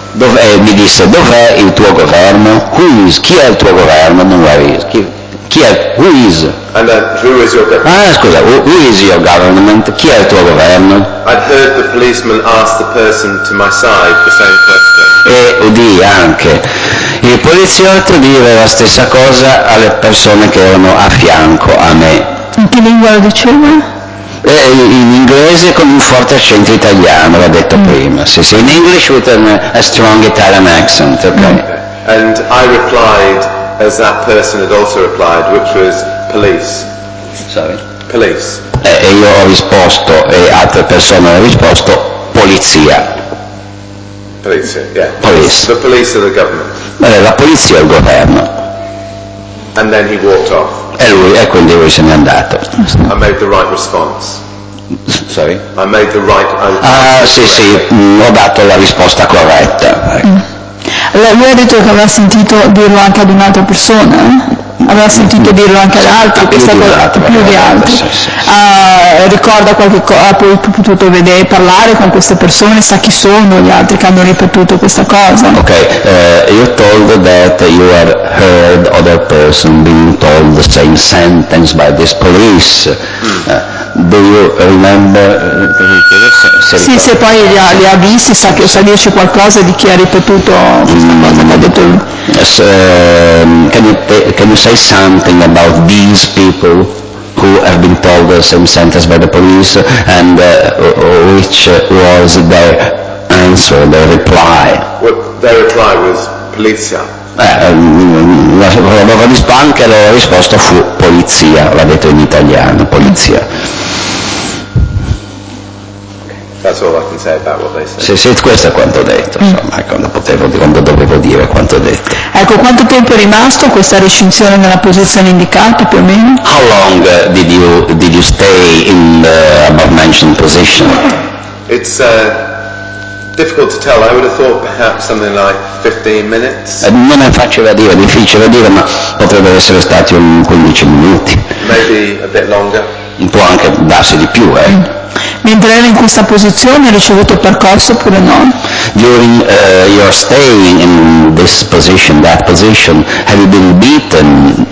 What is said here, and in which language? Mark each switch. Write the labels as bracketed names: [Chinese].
[Italian] Dov'è, mi disse, dov'è il tuo governo? [English] Who is, [Italian] chi è il tuo governo? Non lo so, chi è, [English] who is? And who is your government? [Italian] Ah, scusa, [English] who is your government? [Italian] Chi è il tuo governo? [English] I'd heard the policeman ask the person to my side the same question. [Italian] E udì anche il poliziotto dire la stessa cosa alle persone che erano a fianco a me. In che lingua lo diceva? In inglese con un forte accento italiano, l'ha detto prima. Sì, sì, [English] in English with a strong Italian accent, ok. And I replied as that person had also replied, which was police. Sorry? Police. [Italian] E io ho risposto, e altre persone hanno risposto, polizia. [English] Police, yeah. Police. The police or the government. [Italian] La polizia o il governo. [English] And then he walked off. [Italian] E lui, e quindi lui se n'è andato. [English] I made the right response. Sorry? I made the right answer. [Italian] Ah, sì, sì, ho dato la risposta corretta. Allora, lui ha detto che aveva sentito dirlo anche ad un'altra persona, eh? Aveva sentito dirlo anche ad altri, questa cosa, più di altri. Ricorda qualche cosa, ha potuto vedere, parlare con queste persone, sa chi sono gli altri che hanno ripetuto questa cosa. [English] Ok, you told that you had heard other person being told the same sentence by this police. Do you remember? [Italian] Sì, se poi li ha visti, sa dirci qualcosa di chi ha ripetuto questa cosa che ha detto lui. [English] Can you say something about these people who have been told the same sentence by the police and which was their answer, their reply? Well, their reply was polizia. [Italian] La loro risposta, la risposta fu polizia, l'ha detto in italiano, polizia. [English] That's all I can say about what they said. [Italian] Sì, questo è quanto ho detto, insomma, quando dovevo dire quanto ho detto. Ecco, quanto tempo è rimasto questa recinzione nella posizione indicata, più o meno? [English] How long did you stay in the above mentioned position? It's difficult to tell. I would have thought perhaps something like 15 minutes. [Italian] Non è facile da dire, difficile da dire, ma potrebbe essere stati 15 minuti. [English] Maybe a bit longer. [Italian] Può anche darsi di più, eh. Mentre ero in questa posizione, ha ricevuto il percorso oppure no? [English] During your stay in this position, that position, have you been beaten?